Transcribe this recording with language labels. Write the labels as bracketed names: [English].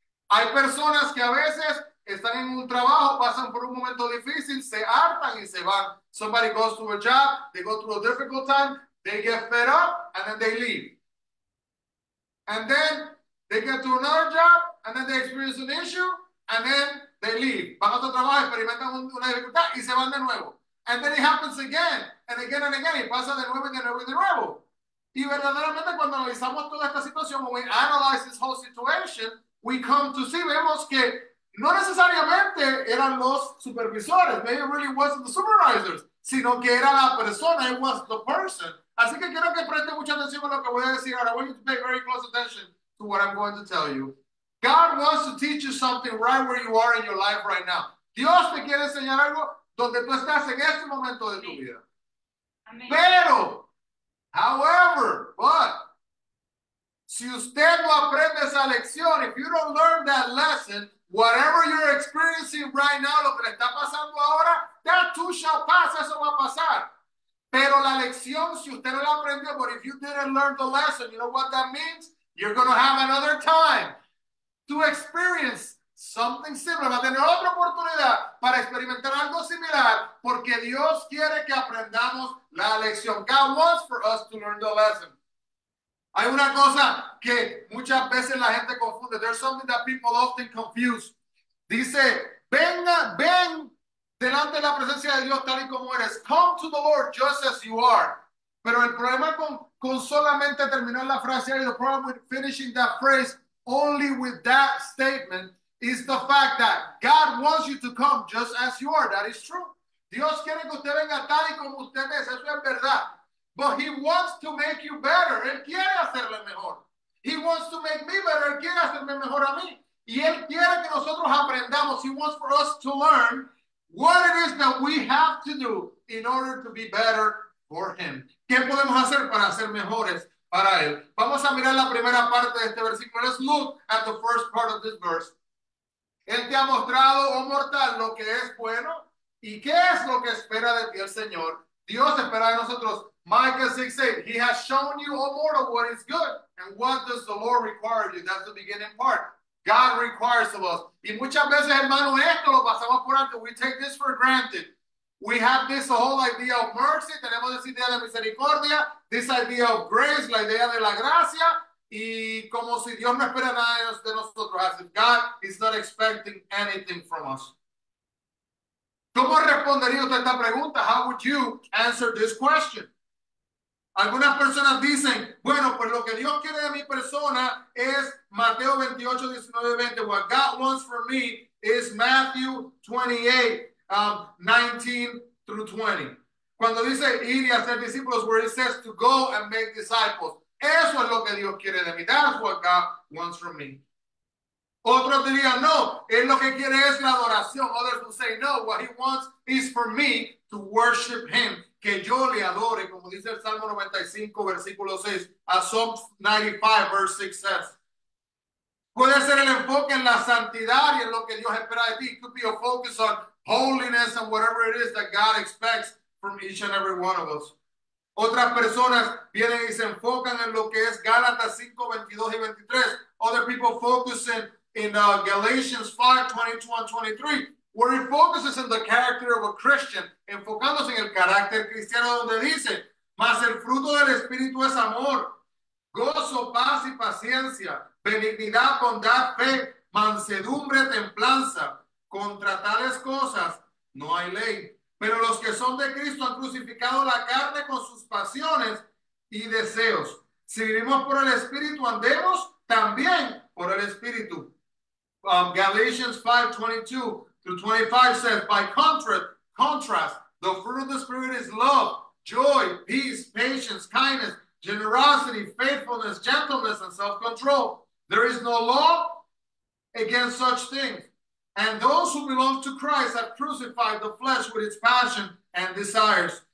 [Spanish] Hay personas que a veces están en un trabajo, pasan por un momento difícil, se hartan y se van. [English] Somebody goes to a job, they go through a difficult time, they get fed up, and then they leave. And then they get to another job, and then they experience an issue, and then they leave. [Spanish] Van a otro trabajo, experimentan una dificultad, y se van de nuevo. [English] And then it happens again, and again, and again. [Spanish] Y pasa de nuevo, y de nuevo, y de nuevo. Y verdaderamente, cuando analizamos toda esta situación, [English] when we analyze this whole situation, we come to see, [Spanish] vemos que no necesariamente eran los supervisores. [English] Maybe it really wasn't the supervisors, [Spanish] sino que era la persona, [English] it was the person. [Spanish] Así que quiero que preste mucha atención a lo que voy a decir ahora. [English] I want you to pay very close attention to what I'm going to tell you. God wants to teach you something right where you are in your life right now. [Spanish] Dios te quiere enseñar algo donde tú estás en este momento de tu vida. Pero, [English] however, but, [Spanish] si usted no aprende esa lección, [English] if you don't learn that lesson, whatever you're experiencing right now, [Spanish] lo que le está pasando ahora, [English] that too shall pass, [Spanish] eso va a pasar. Pero la lección, si usted no la aprendió, [English] but if you didn't learn the lesson, you know what that means? You're going to have another time to experience something similar. [Spanish] Va a tener otra oportunidad para experimentar algo similar porque Dios quiere que aprendamos la lección. [English] God wants for us to learn the lesson. [Spanish] Hay una cosa que muchas veces la gente confunde. [English] There's something that people often confuse. [Spanish] Dice, ven delante de la presencia de Dios tal y como eres. [English] Come to the Lord just as you are. [Spanish] Pero el problema con solamente terminar la frase, [English] the problem with finishing that phrase only with that statement, is the fact that God wants you to come just as you are. That is true. [Spanish] Dios quiere que usted venga tal y como usted es. Eso es verdad. [English] But he wants to make you better. [Spanish] Él quiere hacerle mejor. [English] He wants to make me better. [Spanish] Él quiere hacerme mejor a mí. Y él quiere que nosotros aprendamos. [English] He wants for us to learn what it is that we have to do in order to be better for him. [Spanish] ¿Qué podemos hacer para ser mejores para él? Vamos a mirar la primera parte de este versículo. [English] Let's look at the first part of this verse. [Spanish] Él te ha mostrado, oh mortal, lo que es bueno. ¿Y qué es lo que espera de ti el Señor? Dios espera de nosotros. Micah 6:8. [English] He has shown you, oh mortal, what is good. And what does the Lord require of you? That's the beginning part. God requires of us. [Spanish] Y muchas veces, hermano, esto lo pasamos por alto. [English] We take this for granted. We have this whole idea of mercy. [Spanish] Tenemos esa idea de misericordia. [English] This idea of grace, [Spanish] la idea de la gracia. Y como si Dios no espera nada de nosotros. [English] As if God is not expecting anything from us. [Spanish] ¿Cómo respondería usted esta pregunta? [English] How would you answer this question? [Spanish] Algunas personas dicen, bueno, pues lo que Dios quiere de mi persona es Mateo 28, 19, 20. [English] What God wants for me is Matthew 28, 19 through 20. [Spanish] Cuando dice ir y hacer discípulos, [English] where it says to go and make disciples. [Spanish] Eso es lo que Dios quiere de mí. [English] That's what God wants from me. [Spanish] Otros dirían, no, él lo que quiere es la adoración. [English] Others will say, no, what he wants is for me to worship him. [Spanish] Que yo le adore, como dice el Salmo 95, versículo 6. [English] A Psalm 95, verse 6 says. [Spanish] Puede ser el enfoque en la santidad y en lo que Dios espera de ti. [English] It could be a focus on holiness and whatever it is that God expects from each and every one of us. [Spanish] Otras personas vienen y se enfocan en lo que es Gálatas 5, 22 y 23. [English] Other people focus in Galatians 5, 22 and 23. Where it focuses on the character of a Christian, [Spanish] enfocándose en el carácter cristiano, donde dice, mas el fruto del Espíritu es amor, gozo, paz y paciencia, benignidad, bondad, fe, mansedumbre, templanza. Contra tales cosas no hay ley. Pero los que son de Cristo han crucificado la carne con sus pasiones y deseos. Si vivimos por el Espíritu, andemos también por el Espíritu. [English] Galatians 5, 22. To 25 says, by contrast, the fruit of the Spirit is love, joy, peace, patience, kindness, generosity, faithfulness, gentleness, and self-control. There is no law against such things. And those who belong to Christ have crucified the flesh with its passion and desires.